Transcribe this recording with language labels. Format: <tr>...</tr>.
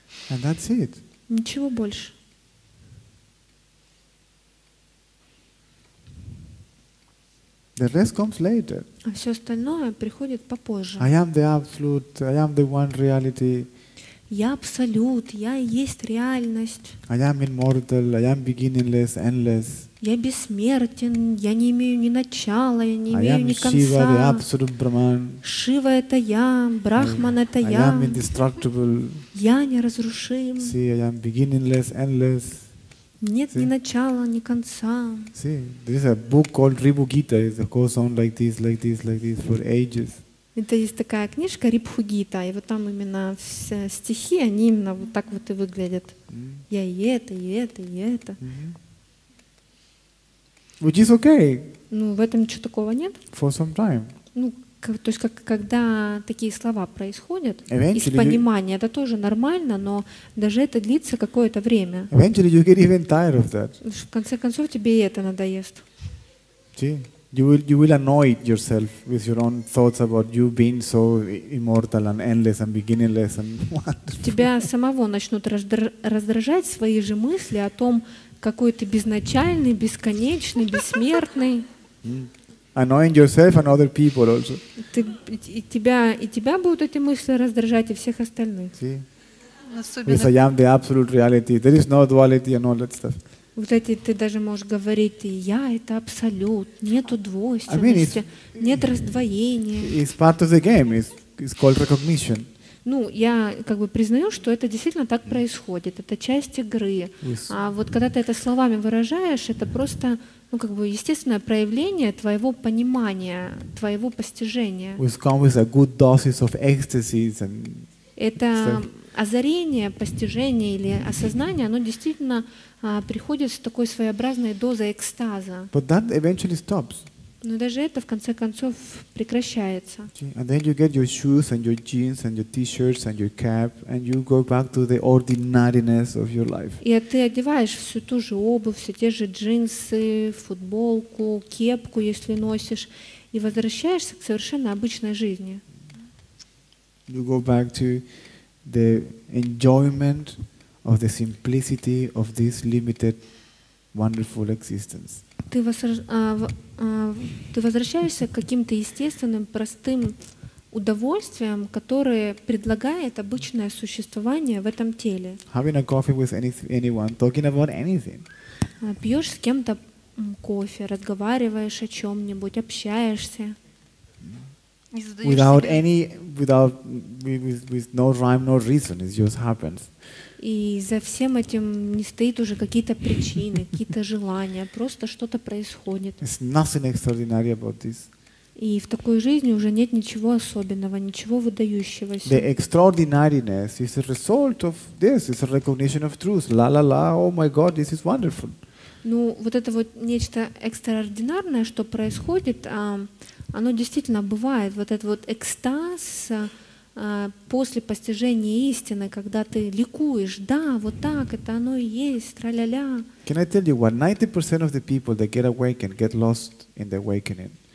<en>And that's it.</en> <ru>Ничего больше.</ru> <en>The rest comes later.</en> <ru>А все остальное приходит попозже.</ru> <en>I am the absolute, I am the one reality.</en> <ru>Я абсолют, я и есть реальность.</ru> <en>I am immortal, I am beginningless, endless.</en> <ru>Я бессмертен, я не имею ни начала, я не имею ни конца.</ru> <en>I am Shiva, the absolute Brahman.</en> <ru>Шива — это я, Брахман — это я.</ru> <en>I am indestructible.</en> <ru>Я неразрушим.</ru> <en>See, I am beginningless, endless.</en> <ru>Нет ни начала, ни конца.</ru> <en>See, there is a book called Ribhu Gita. It goes on like this, like this, like this for ages.</en> <ru>Это есть такая книжка Рибху Гита, и вот там именно все стихи, они именно вот так вот и выглядят. Я и это, и это, и это.</ru> <en>Which is okay.</en> <ru>Ну, в этом ничего такого нет.</ru> <en>For some time.</en> <ru>Ну, то есть, когда такие слова происходят, из понимания, это тоже нормально, но даже это длится какое-то время.</ru> <en>Eventually you get even tired of that.</en> <ru>В конце концов, тебе и это надоест.</ru> <en>See? You will annoy yourself with your own thoughts about you being so immortal and endless and beginningless and wonderful.</en> <ru>Тебя самого начнут раздражать свои же мысли о том, какой ты безначальный, бесконечный, бессмертный.</ru> <en>Annoying yourself and other people also.</en> <ru>И тебя будут эти мысли раздражать, и всех остальных.</ru> <en>Because I am the absolute reality. There is no duality and all that stuff.</en> <ru>Вот эти ты даже можешь говорить: я это абсолют, нету двойственности, нет раздвоения.</ru> <en>It's part of the game. It's called recognition.</en> <ru>Ну, я как бы признаю, что это действительно так происходит. Это часть игры. А вот когда ты это словами выражаешь, это просто, ну, как бы естественное проявление твоего понимания, твоего постижения.</ru> <en>With come with a good doses of ecstasy and...</en> <ru>Это озарение, постижение или осознание, оно действительно приходит с такой своеобразной дозой экстаза.</ru> <en>But that eventually stops.</en> <ru>Но даже это в конце концов прекращается.</ru> <en>And then you get your shoes and your jeans and your t-shirts and your cap and you go back to the ordinariness of your life.</en> <ru>И ты одеваешь всю ту же обувь, все те же джинсы, футболку, кепку, если носишь, и возвращаешься к совершенно обычной жизни.</ru> <en>You go back to the enjoyment of the simplicity of this limited wonderful existence.</en> <ru>Ты возвращаешься к каким-то естественным, простым удовольствиям, которые предлагает обычное существование в этом теле.</ru> <en>Having a coffee with anyone, talking about anything.</en> <ru>Пьешь с кем-то кофе, разговариваешь о чем-нибудь, общаешься.</ru> <en>Without any, with no rhyme, no reason, it just happens.</en> <ru>И за всем этим не стоит уже какие-то причины, какие-то желания, просто что-то происходит.</ru> <en>There's nothing extraordinary about this.</en> <ru>И в такой жизни уже нет ничего особенного, ничего выдающегося.</ru> <en>The extraordinariness is a result of this, it's a recognition of truth. La la la, oh my God, this is wonderful.</en> <ru>Ну, вот это вот нечто экстраординарное, что происходит, оно действительно бывает. Вот этот вот экстаз после постижения истины, когда ты ликуешь, да, вот так, это оно и есть, тра-ля-ля.</ru> <en>Can I tell you what? 90% of the people that get awakened get lost in the awakening.</en>